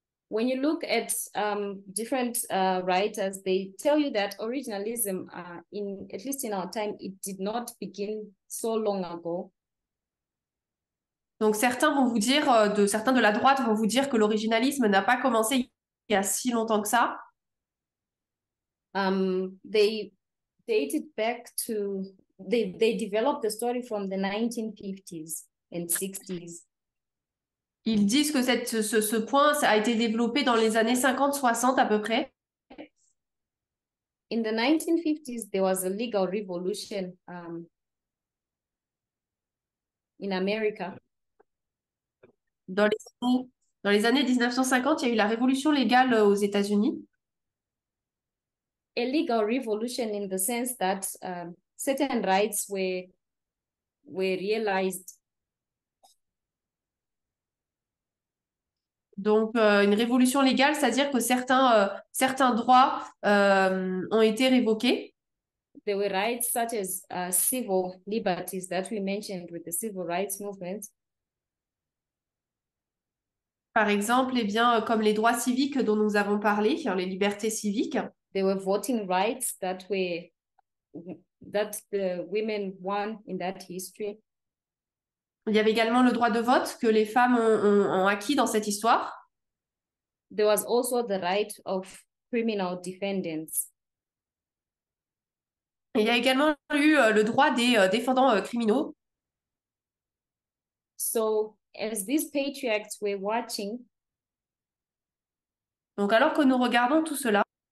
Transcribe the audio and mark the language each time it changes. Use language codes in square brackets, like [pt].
[en] When you look at different writers, they tell you that originalism, in at least in our time, it did not begin so long ago. [fr] Donc certains vont vous dire, certains de la droite vont vous dire que l'originalisme n'a pas commencé il y a si longtemps que ça. [en] They dated back to they developed the story from the 1950s and 60s. [fr] Ils disent que ce point ça a été développé dans les années 50-60 à peu près. [en] In the 1950s, there was a legal revolution in America. [fr] Dans les années 1950, il y a eu la révolution légale aux États-Unis. [en] A legal revolution in the sense that certain rights were realized. [fr] Donc, une révolution légale, c'est-à-dire que certains droits ont été révoqués. [en] There were rights such as civil liberties that we mentioned with the civil rights movement. [fr] Par exemple, eh bien, comme les droits civiques dont nous avons parlé, les libertés civiques. [en] There were voting rights that the women won in that history. [fr] Il y avait également le droit de vote que les femmes ont acquis dans cette histoire. [en] There was also the right of criminal defendants. [fr] Il y a également eu le droit des défendants criminaux. [en] So, as these patriarchs were watching, [fr] Donc alors que nous regardons tout cela,